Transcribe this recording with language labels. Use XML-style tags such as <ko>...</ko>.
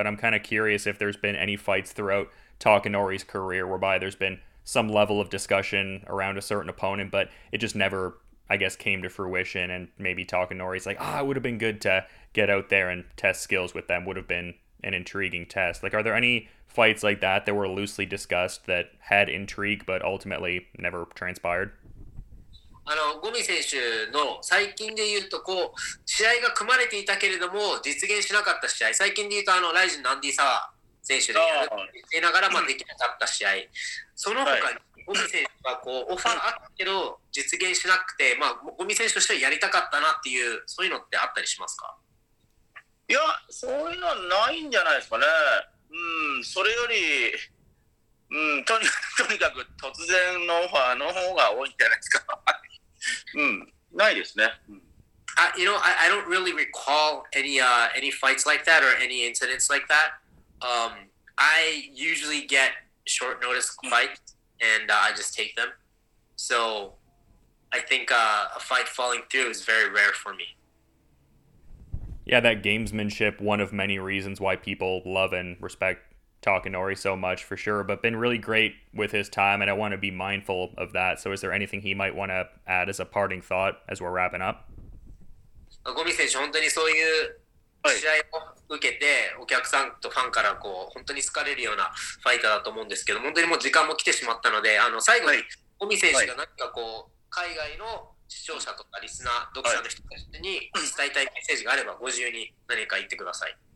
<en>But I'm kind of curious if there's been any fights throughout Takanori's career whereby there's been some level of discussion around a certain opponent, but it just never, I guess, came to fruition. And maybe Takanori's like, it would have been good to get out there and test skills with them, would have been an intriguing test. Like, are there any fights like that that were loosely discussed that had intrigue but ultimately never transpired?</en> <ja>あの、ゴミ選手の最近で言うとこう、試合が組まれていたけれども実現しなかった試合、最近で言うとあのライジンのアンディ・サワー選手でやっていながらまあできなかった試合、その他にゴミ選手はこうオファーあったけど実現しなくて、まあ、ゴミ選手としてはやりたかったなっていう、そういうのってあったりしますか？いや、そういうのはないんじゃないですかね。それより、とにかく突然のオファーの方が多いんじゃないですか。ないですね。</ja> <en>You know, I don't really recall any fights like that or any incidents like that. I usually get short notice fights and I just take them. So I think a fight falling through is very rare for me. Yeah, that gamesmanship, one of many reasons why people love and respect Takanori so much, for sure, but been really great with his time, and I want to be mindful of that. So is there anything he might want to add as a parting thought as we're wrapping up?</en> <ja>Gomi 選手、本当にそういう試合を受けて、お客さんとファンからこう本当に好かれるようなファイターだと思うんですけど、本当にもう時間も来てしまったので、あの最後に Gomi 選手が何かこう海外の視聴者とかリスナー読者の人たちに伝えたいメッセージがあればご自由に何か言ってください。</ja>